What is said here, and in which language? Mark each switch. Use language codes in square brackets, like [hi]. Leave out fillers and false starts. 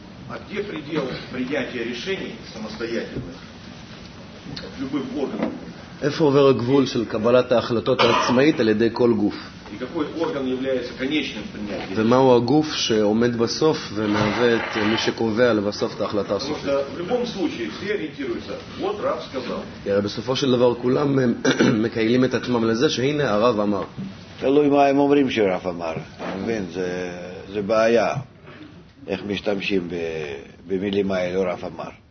[ru] А где предел принятия решений самостоятельных в любых органах? [he] איפה עובר הגבול של קבלת ההחלטות העצמאית על ידי כל גוף? [ru] И какой орган является конечным принятием? [he] ומהו הגוף שעומד בסוף ומהווה את מי שקובע לבסוף את ההחלטה הסופית? [ru] Потому что в любом случае все ориентируются. Вот Рав сказал. [he] Я בסופו של דבר כולם מקהילים את עצמם לזה שהנה הרב אמר. תלוי מה הם אומרים שרב אמר. מבין, זה בעיה. איך משתמשים במילים האלה, רב אמר.